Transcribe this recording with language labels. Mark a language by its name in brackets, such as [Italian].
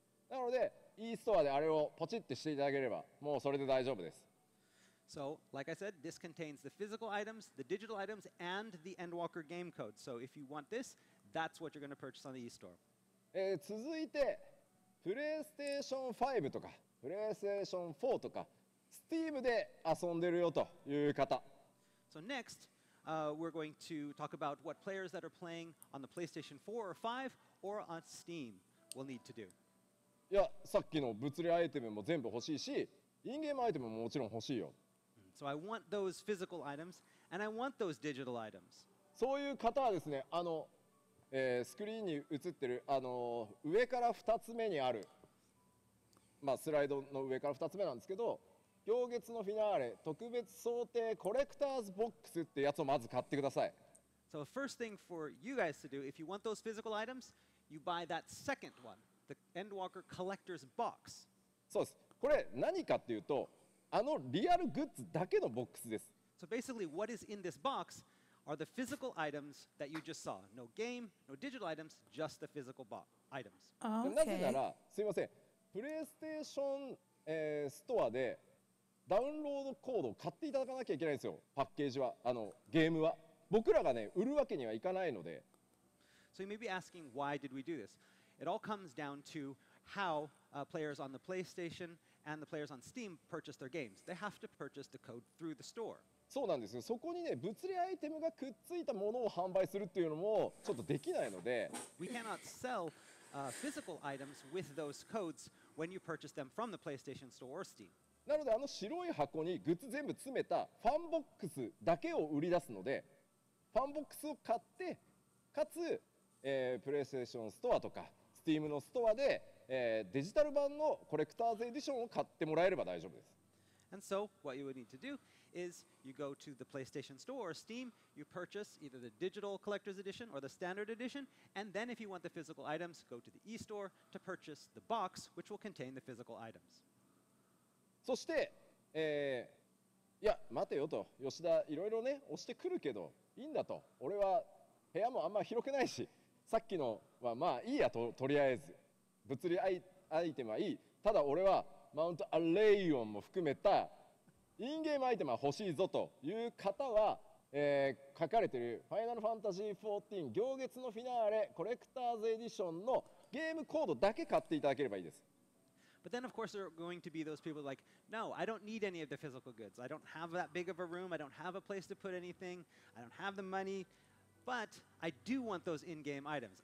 [Japanese] なので、e ストアであれをポチッとしていただければ、もうそれで大丈夫です。 [English] So, like I said, this contains the physical items, the digital items, and the Endwalker game code. So, if you want this, that's what you're going to purchase on the eStore. [Japanese] 続いて、PlayStation 5とか、PlayStation 4とか、Steam で遊んでるよという方。 [English] So, next, we're going to talk about what players that are playing on the PlayStation 4 or 5 or on Steam will need to do. [Japanese] いや、さっきの物理アイテムも全部欲しいし、インゲームアイテムももちろん欲しいよ。 [English] So I want those physical items, and I want those digital items. [Japanese] そういう方はですね、あの、スクリーンに映ってる、あの、上から2つ目にある、まあ、スライドの上から2つ目なんですけど、行月のフィナーレ特別想定コレクターズボックスってやつをまず買ってください。 [English] So the first thing for you guys to do, if you want those physical items, you buy that second one, the Endwalker Collector's Box. [Japanese] そうです。これ何かっていうと、あのリアルグッズだけのボックスです。 [English] So basically, what is in this box are the physical items that you just saw. No game, no digital items, just the physical items. Okay. [Japanese] なぜなら、すいません、PlayStation ストアでダウンロードコードを買っていただかなきゃいけないんですよ。パッケージは、あのゲームは僕らがね売るわけにはいかないので。 [English] So you may be asking why did we do this? It all comes down to how players on the PlayStation and the players on Steam purchase their games. They have to purchase the code through the store. [Japanese] そうなんですよ。そこにね物理アイテムがくっついたものを販売するっていうのもちょっとできないので。 [English] We cannot sell physical items with those codes when you purchase them from the PlayStation store or Steam. [Japanese] なのであの白い箱にグッズ全部詰めたファンボックスだけを売り出すのでファンボックスを買ってかつ、プレイステーションストアとか Steam のストアで、デジタル版のコレクターズエディションを買ってもらえれば大丈夫です。 [English] And so what you would need to do is you go to the PlayStation Store or Steam, you purchase either the digital collector's edition or the standard edition, and then if you want the physical items, go to the e-store to purchase the box which will contain the physical items. [Japanese] そして、いや待てよと吉田いろいろね押してくるけどいいんだと俺は部屋もあんま広くないしさっきのはまあいいやととりあえず物理アイテムはいいただ俺はマウントアレイオンも含めたインゲームアイテムは欲しいぞという方は、書かれているファイナルファンタジー14行月のフィナーレコレクターズエディションのゲームコードだけ買っていただければいいです。 [English] But then, of course, there are going to be those people like, no, I don't need any of the physical goods. I don't have that big of a room. I don't have a place to put anything. I don't have the money. But I do want those in-game items.